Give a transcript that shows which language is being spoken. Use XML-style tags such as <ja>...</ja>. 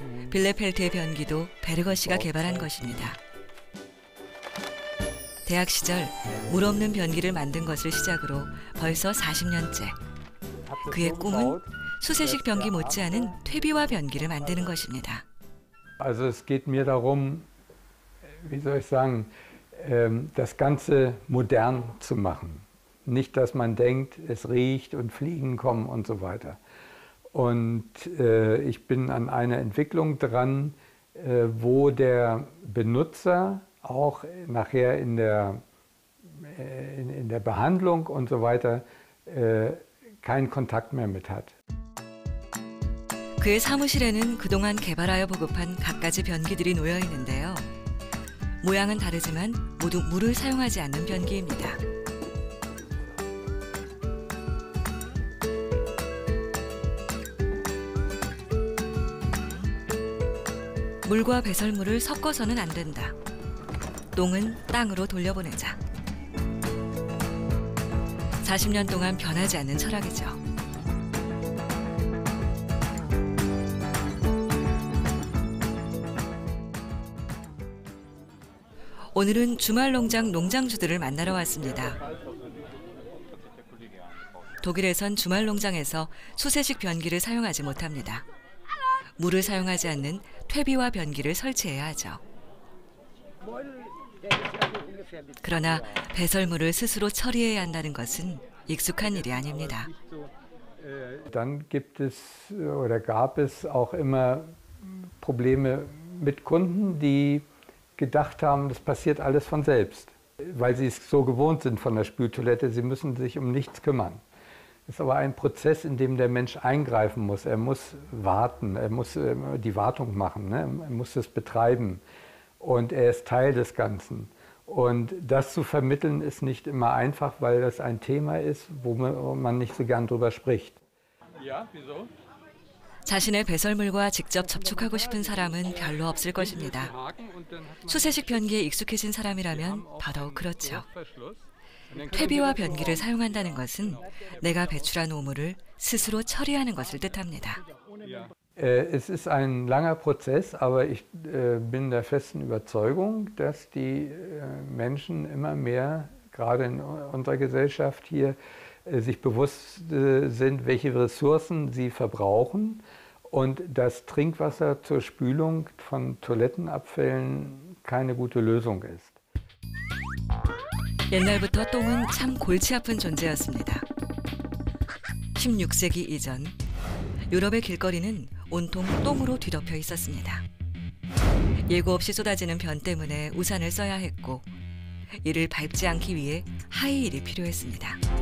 <ko>빌레펠트의 변기도 베르거 씨가 개발한 것입니다. 대학 시절 물 없는 변기를 만든 것을 시작으로 벌써 40년째. 그의 꿈은 수세식 변기 못지않은 퇴비와 변기를 만드는 것입니다.</ko> <de>Also es geht mir darum, wie soll ich sagen, das Ganze modern zu machen. Nicht, dass man denkt, es riecht und Fliegen kommen und so weiter. Und ich bin an einer Entwicklung dran, wo der Benutzer auch nachher in der Behandlung und so weiter keinen Kontakt mehr mit hat.</de> <ko>그의 사무실에는 그동안 개발하여 보급한 갖가지 변기들이 놓여 있는데요. 모양은 다르지만 모두 물을 사용하지 않는 변기입니다. 물과 배설물을 섞어서는 안 된다. 똥은 땅으로 돌려보내자. 40년 동안 변하지 않는 철학이죠. 오늘은 주말농장 농장주들을 만나러 왔습니다. 독일에선 주말농장에서 수세식 변기를 사용하지 못합니다. 물을 사용하지 않는 퇴비와 변기를 설치해야 하죠. 그러나 배설물을 스스로 처리해야 한다는 것은 익숙한 일이 아닙니다.</ko> <de>Dann gibt es oder gab es auch immer Probleme mit Kunden, die gedacht haben, das passiert alles von selbst, weil sie es so gewohnt sind von der Spültoilette, sie müssen sich um nichts kümmern. Ist aber ein Prozess, in dem der Mensch eingreifen muss. Er muss warten, er muss die Wartung machen, ne? Er muss es betreiben. und er ist Teil des Ganzen. Und das zu vermitteln ist nicht immer einfach, weil das ein Thema ist, wo man nicht so gern drüber spricht. Ja, wieso?</de> <ko>자신의 배설물과 직접 접촉하고 싶은 사람은 별로 없을 것입니다. 수세식 변기에 익숙해진 사람이라면 더더욱 그렇죠. 퇴비와 변기를 사용한다는 것은 내가 배출한 오물을 스스로 처리하는 것을 뜻합니다.</ko> <de>Es ist ein langer Prozess, aber ich bin der festen Überzeugung, dass die Menschen immer mehr, gerade in unserer Gesellschaft hier, sich bewusst sind, welche Ressourcen sie verbrauchen und dass Trinkwasser zur Spülung von Toilettenabfällen keine gute Lösung ist.</de> <ko>옛날부터 똥은 참 골치 아픈 존재였습니다. 16세기 이전, 유럽의 길거리는 온통 똥으로 뒤덮여 있었습니다. 예고 없이 쏟아지는 변 때문에 우산을 써야 했고, 이를 밟지 않기 위해 하이힐이 필요했습니다.</ko>